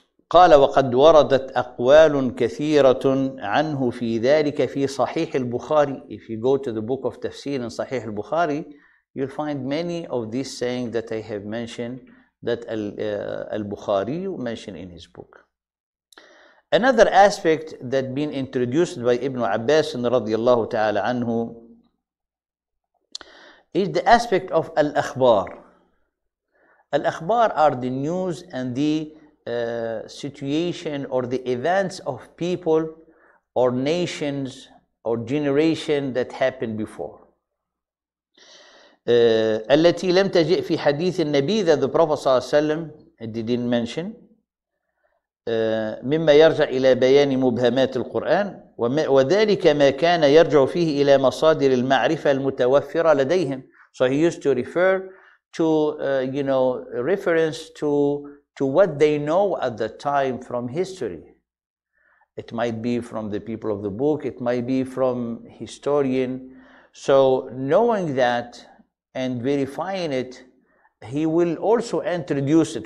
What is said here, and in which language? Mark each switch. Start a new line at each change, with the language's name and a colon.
Arabic: قال وقد وردت أقوال كثيرة عنه في ذلك في صحيح البخاري.
English: If you go to the book of Tafseer in صحيح البخاري, you'll find many of these sayings that I have mentioned that al-Bukhari mentioned in his book. Another aspect that been introduced by Ibn Abbas
Arabic: رضي الله تعالى عنه
English: is the aspect of al-akhbar. Al-akhbar are the news and the situation or the events of people or nations or generation that happened before.
Arabic: التي لم تجئ في حديث النبي,
English: that the Prophet
Arabic: صلى الله عليه وسلم
English: didn't mention.
Arabic: مما يرجع إلى بيان مبهمات القرآن وذلك ما كان يرجع فيه إلى مصادر المعرفة المتوفرة لديهم.
English: So he used to refer to, reference to what they know at the time from history. It might be from the people of the book, it might be from historian. So knowing that and verifying it, he will also introduce it.